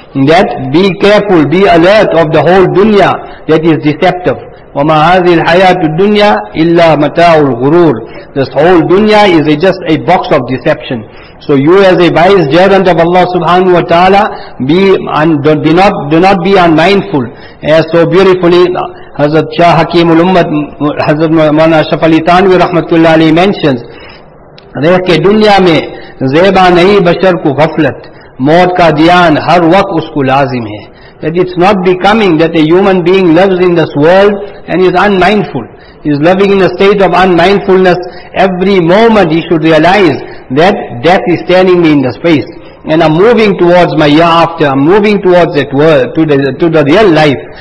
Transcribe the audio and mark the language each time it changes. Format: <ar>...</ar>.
<en>That be careful, be alert of the whole dunya that is deceptive.</en> <ar>وَمَا هَذِي الْحَيَاةُ الدُّنْيَا إِلَّا مَتَاعُ الْغُرُورِ.</ar> <en>This whole dunya is just a box of deception. So you as a vice gerent of Allah Subhanahu Wa Ta'ala, do not be unmindful. As so beautifully Hazrat Shah Hakimul Ummat, Hazrat Mawlana Ashraf Ali Thanvi Rahmatullah Ali mentions,</en> <ur>رہ کے دنیا میں زیبا نہیں بشر کو غفلت, موت کا دھیان ہر وقت اس کو لازم ہے.</ur> <en>That it's not becoming that a human being lives in this world and is unmindful. He is living in a state of unmindfulness. Every moment he should realize that death is staring me in the face. And I'm moving towards my hereafter, I'm moving towards that world, to the real life.</en>